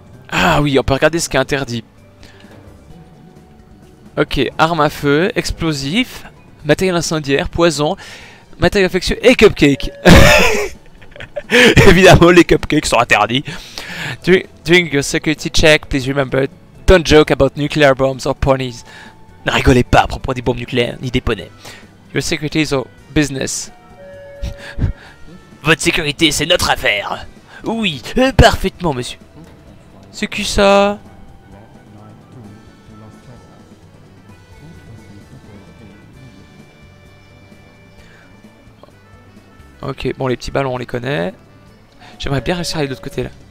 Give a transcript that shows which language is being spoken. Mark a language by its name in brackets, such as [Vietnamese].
[French] Ah oui, on peut regarder ce qui est interdit. Ok, arme à feu, explosif, matériel incendiaire, poison, matériel infectieux et cupcake. Évidemment, les cupcakes sont interdits. [English] During your security check, please remember, don't joke about nuclear bombs or ponies. [French] Ne rigolez pas à propos des bombes nucléaires ni des poneys. [English] Your security is our business. [French] Votre sécurité, c'est notre affaire. Oui, parfaitement, monsieur. C'est qui ça? Ok, bon, les petits ballons, on les connaît. J'aimerais bien réussir à aller de l'autre côté, là.